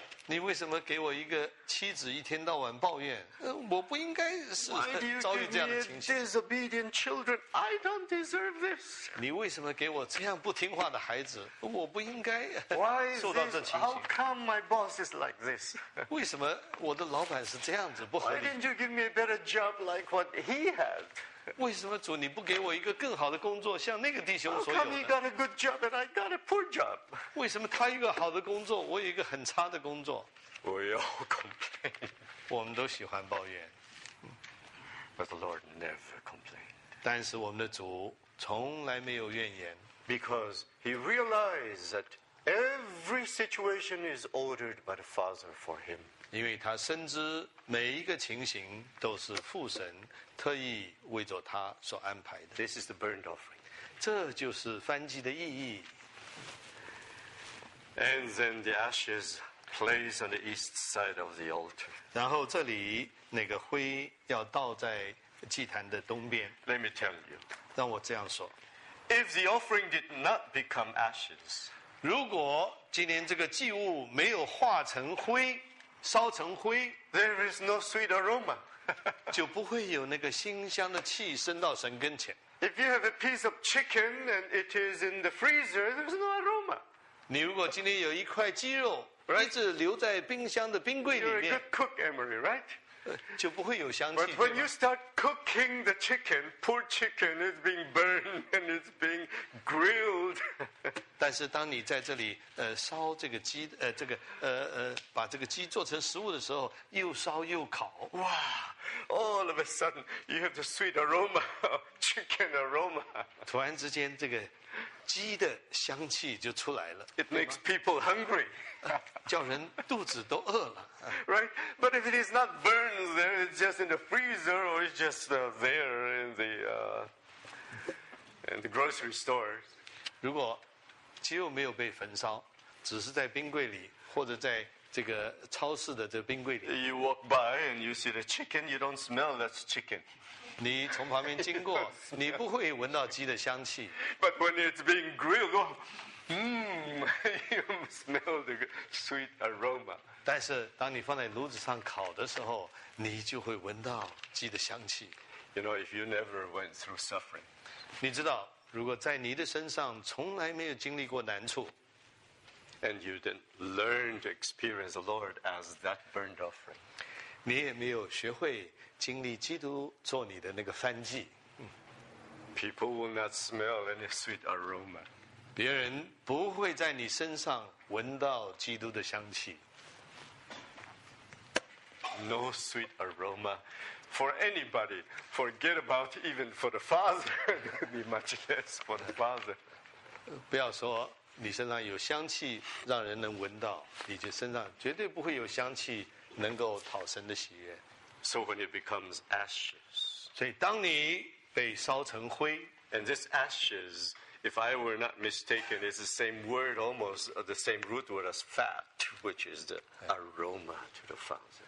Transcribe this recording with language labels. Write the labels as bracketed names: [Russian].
[Chinese] 你为什么给我一个妻子一天到晚抱怨？我不应该是遭遇这样的情形。 [English] Why do you give me disobedient children? I don't deserve this. [Chinese] 你为什么给我这样不听话的孩子？我不应该受到这情形。 [English] How come my boss is like this? [Chinese] 为什么我的老板是这样子不合理 [English] ？Why didn't you give me a better job like what he had? [Chinese] 为什么主你不给我一个更好的工作，像那个弟兄所有的 [English] ？How come he got a good job and I got a poor job? [Chinese] 为什么他一个好的工作，我有一个很差的工作 [English] ？We all complain. [Chinese] 我们都喜欢抱怨。 [English] But the Lord never complained. [Chinese] 但是我们的主从来没有怨言。 [English] Because he realized that every situation is ordered by the Father for him. [Chinese] 因为他深知每一个情形都是父神特意为着他所安排的。 [English] This is the burnt offering. [Chinese] 这就是燔祭的意义。 [English] And then the ashes placed on the east side of the altar. [Chinese] 然后这里那个灰要倒在祭坛的东边。 [English] Let me tell you. [Chinese] 让我这样说。 [English] If the offering did not become ashes, [Chinese] 如果今天这个祭物没有化成灰，烧成灰 [English] ，There is no sweet aroma. [Chinese] 就不会有那个馨香的气升到神跟前。 [English] If you have a piece of chicken and it is in the freezer, there is no aroma. [Chinese] 你如果今天有一块鸡肉，一直留在冰箱的冰柜里面 [English] ，You're a good cook, Emery, right? [Chinese] 就不会有香气。 [English] But when you start cooking the chicken, poor chicken is being burned and it's being grilled. [Chinese] 但是当你在这里烧这个鸡这个把这个鸡做成食物的时候，又烧又烤。 [English] 哇 ！All of a sudden, you have the sweet aroma, chicken aroma. [Chinese] 突然之间，这个鸡的香气就出来了。 [English] It makes people hungry. [Chinese] 叫人肚子都饿了。 [English] Right, but if it is not burned, then it's just in the freezer or it's just there in the grocery stores. [Chinese] 如果鸡肉没有被焚烧，只是在冰柜里或者在这个超市的这个冰柜里。 [English] You walk by and you see the chicken, you don't smell that chicken. [Chinese] 你从旁边经过，你不会闻到鸡的香气。 [English] But when it's being grilled, you smell the sweet aroma. [Chinese] 但是当你放在炉子上烤的时候，你就会闻到鸡的香气。 [English] You know, if you never went through suffering, [Chinese] 你知道，如果在你的身上从来没有经历过难处 [English] ，and you didn't learn to experience the Lord as that burnt offering, [Chinese] 你也没有学会经历基督做你的那个燔祭。 [English] People will not smell any sweet aroma. [Chinese] 别人不会在你身上闻到基督的香气。 [English] No sweet aroma for anybody. Forget about even for the Father. Be much less for the Father. [Chinese] 不要说你身上有香气，让人能闻到，你就身上绝对不会有香气能够讨神的喜悦。 [English] So when it becomes ashes, [Chinese] 所以当你被烧成灰 [English] ，and this ashes, if I were not mistaken, is the same word almost the same root word as fat, which is the aroma to the Father.